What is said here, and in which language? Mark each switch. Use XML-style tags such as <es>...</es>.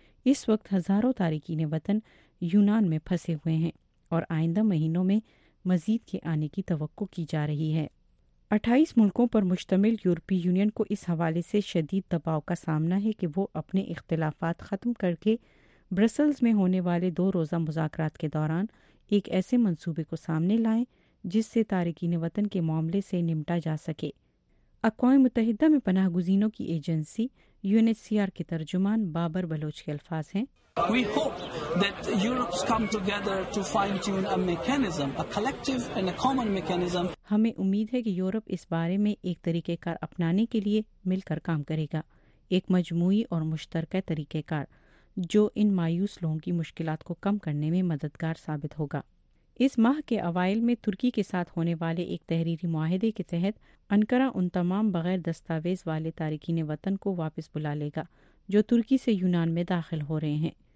<ur>اس وقت ہزاروں تارکین وطن یونان میں پھنسے ہوئے ہیں اور آئندہ مہینوں میں مزید کے آنے کی توقع کی جا رہی ہے۔ 28 ملکوں پر مشتمل یورپی یونین کو اس حوالے سے شدید دباؤ کا سامنا ہے کہ وہ اپنے اختلافات ختم کر کے برسلز میں ہونے والے دو روزہ مذاکرات کے دوران ایک ایسے منصوبے کو سامنے لائیں جس سے تارکین وطن کے معاملے سے نمٹا جا سکے. اقوام متحدہ میں پناہ گزینوں کی ایجنسی یون ایچ سی آر کے ترجمان بابر بلوچ کے الفاظ ہیں.</ur> <en>We hope that Europe's come together to fine-tune a mechanism, a collective and a common mechanism.</en> <ur>ہمیں امید ہے کہ یورپ اس بارے میں ایک طریقہ کار اپنانے کے لیے مل کر کام کرے گا، ایک مجموعی اور مشترکہ طریقہ کار جو ان مایوس لوگوں کی مشکلات کو کم کرنے میں مددگار ثابت ہوگا. اس ماہ کے اوائل میں ترکی کے ساتھ ہونے والے ایک تحریری معاہدے کے تحت انکارہ ان تمام بغیر دستاویز والے تارکین وطن کو واپس بلا لے گا جو ترکی سے یونان میں داخل ہو رہے ہیں.</ur>